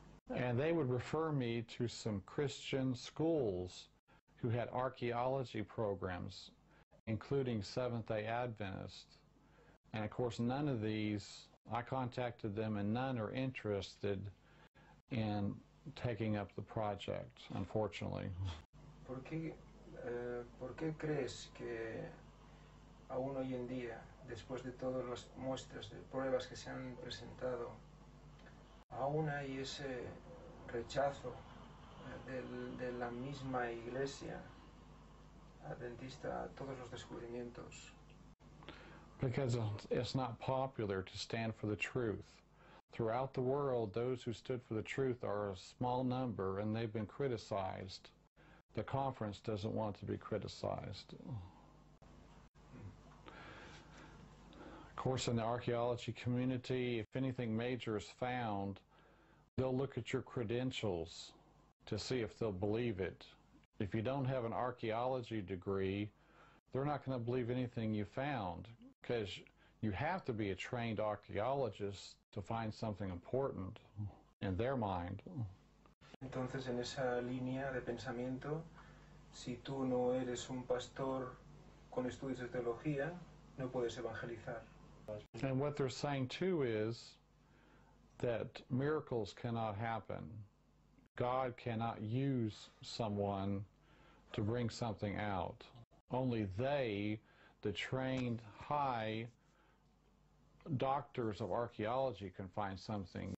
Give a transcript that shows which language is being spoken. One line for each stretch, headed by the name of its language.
English: And they would refer me to some Christian schools who had archaeology programs, including Seventh-day Adventist. And of course, none of these, I contacted them, and none are interested in taking up the project, unfortunately.
Spanish: ¿Por qué crees que aún hoy en día, después de todas las muestras de pruebas que se han presentado, aún hay ese rechazo de la misma iglesia adventista a todos los descubrimientos?
English: Because it's not popular to stand for the truth. Throughout the world, those who stood for the truth are a small number, and they've been criticized. The conference doesn't want to be criticized. Of course, in the archaeology community, if anything major is found, they'll look at your credentials to see if they'll believe it. If you don't have an archaeology degree, they're not going to believe anything you found, because you have to be a trained archaeologist to find something important in their mind.
Spanish: Entonces, en esa línea de pensamiento, si tú no eres un pastor con estudios de teología, no puedes evangelizar.
English: And what they're saying too is that miracles cannot happen. God cannot use someone to bring something out. Only they, the trained high doctors of archaeology, can find something.